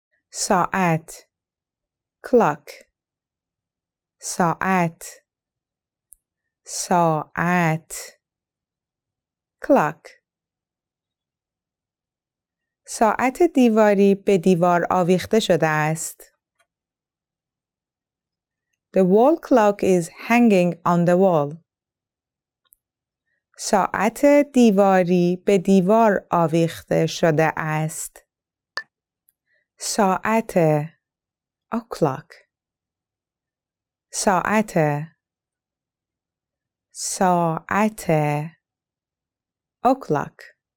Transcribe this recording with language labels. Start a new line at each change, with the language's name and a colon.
Persian: ساعت, clock. ساعت, ساعت, clock. ساعت دیواری به دیوار آویخته شده است.
English: The wall clock is hanging on the wall.
Persian: ساعت دیواری به دیوار آویخته شده است. ساعت, o'clock. ساعت, ساعت, o'clock.